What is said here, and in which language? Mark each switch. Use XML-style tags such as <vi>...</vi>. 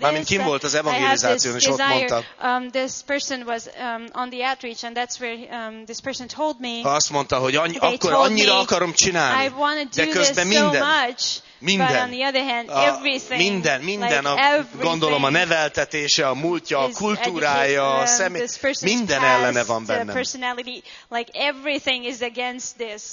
<hu>Mármint kim volt az evangelizáción, és ott mondta.</hu> <en>This person was on the outreach, and that's where this person told me.</en> <hu>Ha azt mondta, hogy annyira akarom csinálni.</hu> <en>I want to do this</en> <hu>minden,</hu> <en>so much.</en> <hu>Minden.</hu> <en>But on the other hand, everything. Minden, like everything.</en> <hu>Gondolom a neveltetése, a múltja, a kultúrája, a személy. Minden ellene van bennem.</hu> <en>Personality, like everything is against this.</en>